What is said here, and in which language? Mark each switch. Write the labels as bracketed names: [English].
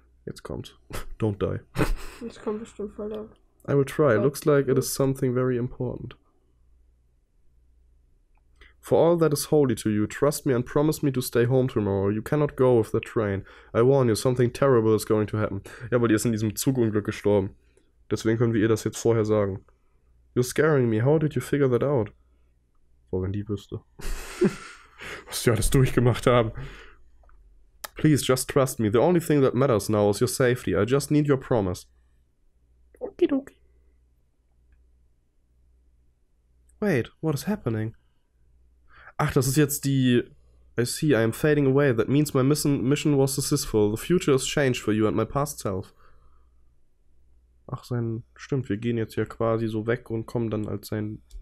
[German] Jetzt kommt. [English] Don't die. [German] Jetzt kommt bestimmt voll auf. [English] I will try. It looks like it is something very important. For all that is holy to you, trust me and promise me to stay home tomorrow. You cannot go with the train. I warn you, something terrible is going to happen. [German] Ja, aber die ist in diesem Zugunglück gestorben. Deswegen können wir ihr das jetzt vorher sagen. [English] You're scaring me. How did you figure that out? [German] Boah, wenn die wüsste. Was die alles durchgemacht haben. [English] Please, just trust me. The only thing that matters now is your safety. I just need your promise. Okidoki. Wait, what is happening? [German] Ach, das ist jetzt die... [English] I see, I am fading away. That means my mission was successful. The future has changed for you and my past self. [German] Ach, sein... Stimmt, wir gehen jetzt ja quasi so weg und kommen dann als sein...